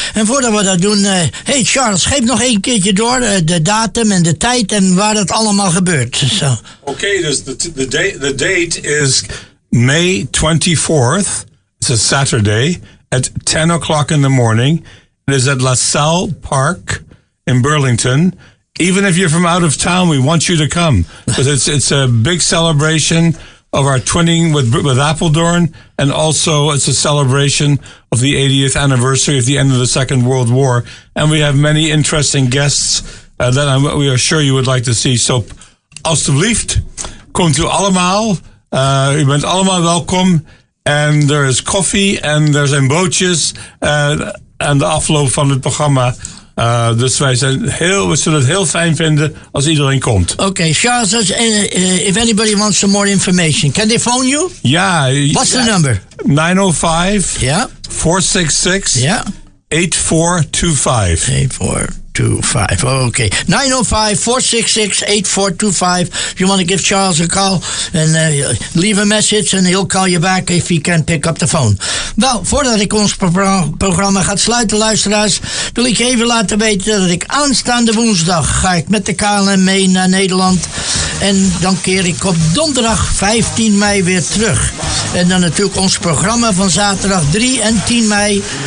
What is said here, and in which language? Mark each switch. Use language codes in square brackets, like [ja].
[nl] En voordat we dat doen, hey Charles, geef nog één keertje door de datum en de tijd en waar dat allemaal gebeurt. [en] Oké, okay, dus the date is May 24th. It's a Saturday at 10 o'clock in the morning. It is at LaSalle Park in Burlington. Even if you're from out of town, we want you to come. Because it's a big celebration of our twinning with Appledorn, and also it's a celebration of the 80th anniversary of the end of the Second World War. And we have many interesting guests that we are sure you would like to see. [nl] So, alstublieft, komt u allemaal. U bent allemaal welkom. [en] And there is coffee, and there's [nl] een bootjes, [en] and the [nl] afloop van het programma. Dus wij zijn heel, we zullen het heel fijn vinden als iedereen komt. [en] Oké, okay, Charles, if anybody wants some more information, can they phone you? [nl] Ja. [en] What's the number? 905-466-8425. 8425, oké. 905-466-8425. If you want to give Charles a call, and leave a message and he'll call you back if he can pick up the phone. [nl] Wel, voordat ik ons programma ga sluiten, luisteraars, wil ik even laten weten dat ik aanstaande woensdag ga ik met de KLM mee naar Nederland. En dan keer ik op donderdag 15 mei weer terug. En dan natuurlijk ons programma van zaterdag 3 en 10 mei.